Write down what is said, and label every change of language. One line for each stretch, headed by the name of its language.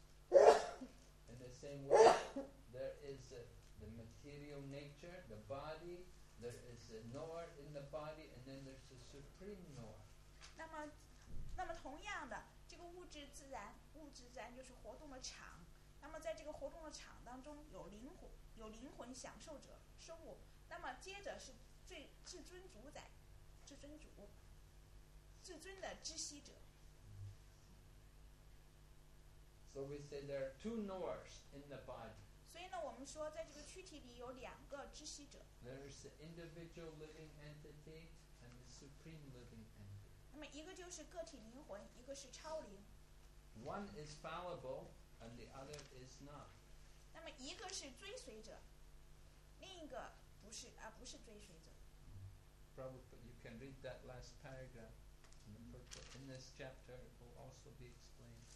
English: In the same way, there is the material nature, the body, there is the knower in the body, and then there's the supreme knower.
Chinese: 那么同样的，这个物质自然就是活动的场。那么在这个活动的场当中，有灵魂享受者，生物。那么接着是至尊的知悉者。
English: So we say there are two knowers in the body.
Chinese: 所以呢，我们说在这个躯体里有两个知悉者。
English: There is the individual living entity and the supreme living entity.
Chinese: 那么一个就是个体灵魂，一个是超灵。
English: One is fallible and the other is not.
Chinese: 那么一个是追随者，另一个不是追随者。
English: Probably you can read that last paragraph in the purport. In this chapter, it will also be explained.